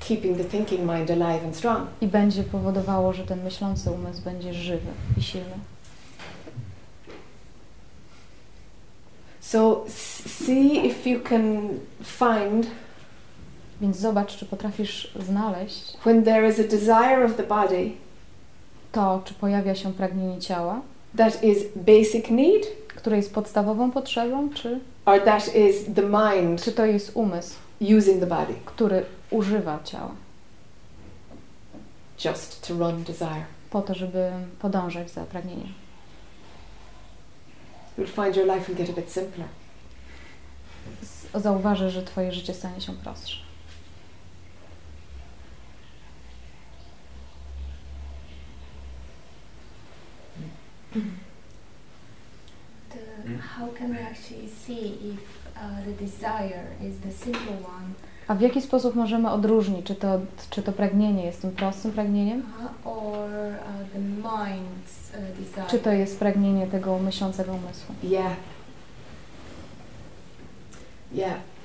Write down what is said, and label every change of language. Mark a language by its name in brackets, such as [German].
[English] Keeping the thinking mind alive and strong. [Polish] I będzie powodowało, że ten myślący umysł będzie żywy i silny. [English] So see if you can find. [Polish] Więc zobacz, czy potrafisz znaleźć. [English] When there is a desire of the body. [Polish] To, czy pojawia się pragnienie ciała. [English] That is basic need. [Polish] Które jest podstawową potrzebą, czy? [English] Or that is the mind. [Polish] Czy to jest umysł, [English] using the body. [Polish] Który używa ciała. [English] Just to run desire. [Polish] Po to, żeby podążać za pragnieniem. [English] You'll find your life will get a bit simpler. [Polish] Zauważysz, że twoje życie stanie się prostsze. [English] How can we actually see if the desire is the simple one? [Polish] A w jaki sposób możemy odróżnić, czy to pragnienie jest tym prostym pragnieniem? [English] Or the mind's desire. [Polish] Czy to jest pragnienie tego myślącego umysłu? [English] Yeah. Yeah.